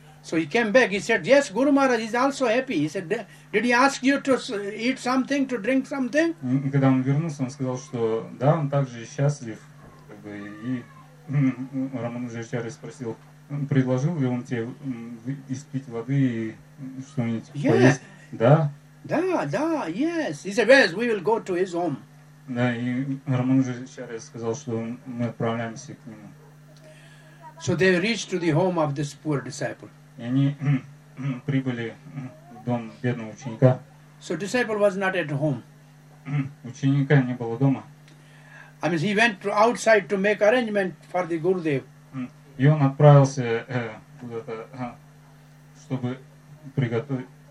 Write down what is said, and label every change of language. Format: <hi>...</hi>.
<en>So he came back, he said, yes, Guru Maharaj is also happy. He said, did he ask you to eat something, to drink something?</en> <ru>И когда он вернулся, он сказал, что да, он также счастлив. Как бы, и Рамануджа Ачарья спросил, предложил ли он тебе испить воды и что-нибудь</ru> <en>yeah.</en> <ru>поесть? Да. Да, да,</ru> <en>yes. He said, yes, we will go to his home.</en> <ru>Да, и Рамануджа Ачарья сказал, что мы отправляемся к нему.</ru> <en>So they reached to the home of this poor disciple.</en> <ru>И они прибыли в дом бедного ученика.</ru> <en>So disciple was not at home.</en> <ru>Ученика не было дома.</ru> <en>I mean, he went outside to make arrangement for the Gurudev.</en> <ru>И он отправился куда-то, чтобы приготовить.</ru>